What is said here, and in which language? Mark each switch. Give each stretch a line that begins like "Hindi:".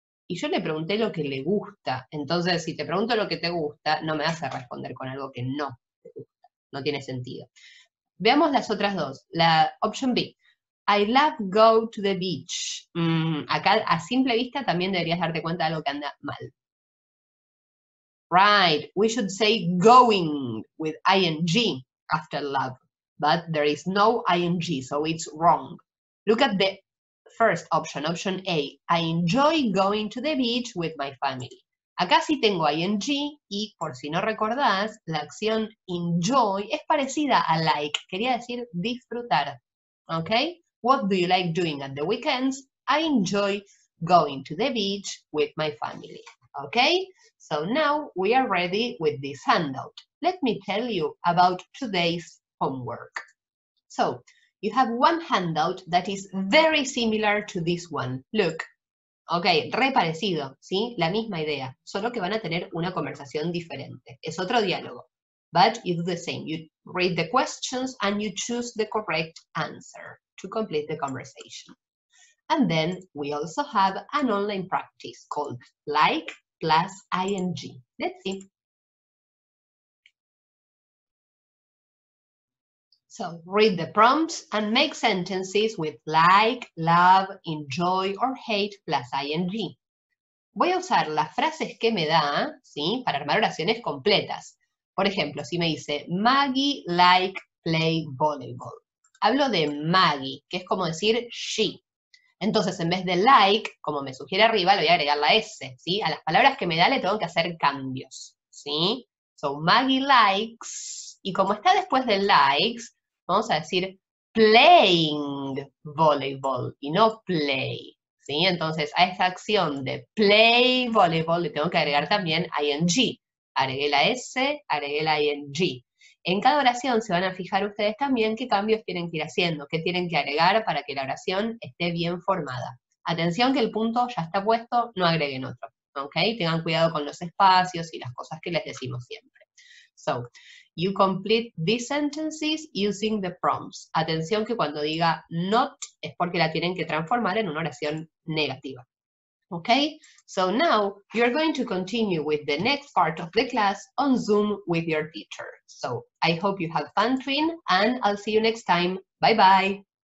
Spanish: Y yo le pregunté lo que le gusta. Entonces, si te pregunto lo que te gusta, no me vas a responder con algo que no te gusta. No tiene sentido. Veamos las otras dos. La option B.
English: I love go to the beach.
Spanish: Acá, a simple vista, también deberías darte cuenta de algo que anda mal.
English: Right. We should say going with ing after love. But there is no ing, so it's wrong. Look at the first option, option A. I enjoy going to the beach with my family.
Spanish: Acá sí tengo ing, y por si no recordás, la acción enjoy es parecida a like. Quería decir disfrutar. Okay?
English: What do you like doing at the weekends? I enjoy going to the beach with my family. Okay? So now we are ready with this handout. Let me tell you about today's homework. So, you have one handout that is very similar to this one. Look.
Spanish: Okay, re parecido, ¿sí? La misma idea, solo que van a tener una conversación diferente. Es otro diálogo.
English: But you do the same. You read the questions and you choose the correct answer to complete the conversation. And then we also have an online practice called Like plus ING. Let's see. So read the prompts and make sentences with like, love, enjoy or hate plus ING.
Spanish: Voy a usar las frases que me da, ¿sí? Para armar oraciones completas. Por ejemplo, si me dice Maggie
English: like play volleyball.
Spanish: Hablo de Maggie, que es como decir she. Entonces, en vez de like, como me sugiere arriba, le voy a agregar la S, ¿sí? A las palabras que me da le tengo que hacer cambios, ¿sí? So, Maggie likes, y como está después de likes, vamos a decir playing volleyball, y no play, ¿sí? Entonces, a esa acción de play volleyball le tengo que agregar también ing. Agregué la S, agregué la ing. En cada oración se van a fijar ustedes también qué cambios tienen que ir haciendo, qué tienen que agregar para que la oración esté bien formada. Atención que el punto ya está puesto, no agreguen otro, ¿ok? Tengan cuidado con los espacios y las cosas que les decimos siempre.
English: So, you complete these sentences using the prompts.
Spanish: Atención que cuando diga not es porque la tienen que transformar en una oración negativa.
English: Okay, so now you're going to continue with the next part of the class on Zoom with your teacher. So I hope you have fun, Twin, and I'll see you next time. Bye-bye.